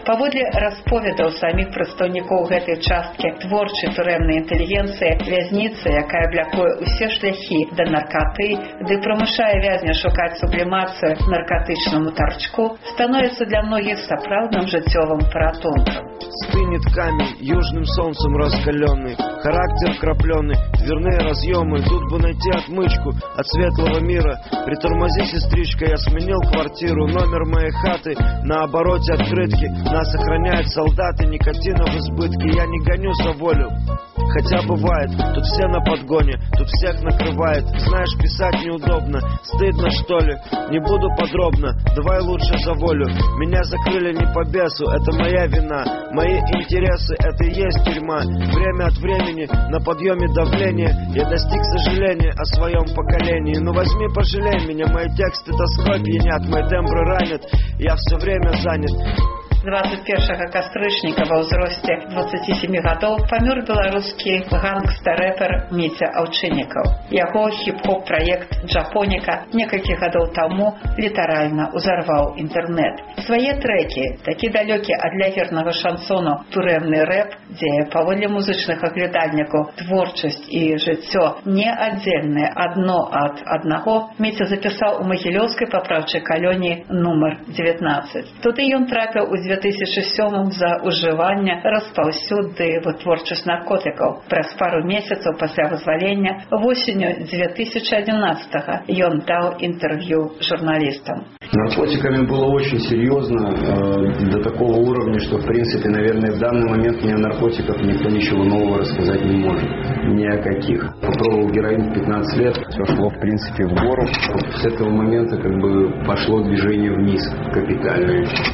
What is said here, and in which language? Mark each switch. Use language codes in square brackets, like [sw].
[be] Паводле расповедаў саміх прадстаўнікоў гэтай часткі творчай турэмнай інтэлігенцыі, вязніца, якая блякуе ўсе шляхі да наркаты, ды прымушае вязня шукаць сублімацыю наркатычнаму тарчку, становіцца для многіх сапраўдным жыццёвым паратункам. [ru] Стынет камень, южным солнцем раскаленный, характер крапленый, дверные разъемы, тут бы найти отмычку от светлого мира. Притормози, сестричка, я сменил квартиру, номер моей хаты на обороте открытки, нас охраняют солдаты, никотина в избытке, я не гоню за волю. Хотя бывает, тут все на подгоне, тут всех накрывает. Знаешь, писать неудобно, стыдно что ли? Не буду подробно, давай лучше за волю. Меня закрыли не по бесу, это моя вина. Мои интересы, это и есть тюрьма. Время от времени, на подъеме давления, я достиг сожаления о своем поколении. Ну возьми, пожалей меня, мои тексты тоской пьянят, мои тембры ранят, я все время занят. [be] 21 кастрычніка ва ўзросце 27 гадоў памёр беларускі гангстар-рэпер Міця Аўчыннікаў. Яго хіп-хоп праект «Джапоніка» некалькі гадоў таму літаральна ўзарваў інтэрнэт. Свае трэкі, такі далёкі ад лагернага шансону турэмны рэп, дзе паводле музычных аглядальнікаў творчасць і жыццё не аддзельныя адно ад аднаго, Міця запісаў у магілёўскай папраўчай калоніі нумар 19. Туды ён трапіў у 2007 за ўжыванне распаўсюды вытворчасць наркотыкаў. Праз пару месяцаў пасля вызвалення восенню 2011 ён даў інтэрв'ю журналістам. [ru] Наркотиками было очень серьезно, до такого уровня, что, в принципе, наверное, в данный момент мне о наркотиках никто ничего нового рассказать не может. ни о каких. Попробовал героин в 15 лет, все шло в принципе в гору. С этого момента как бы пошло движение вниз капитальное.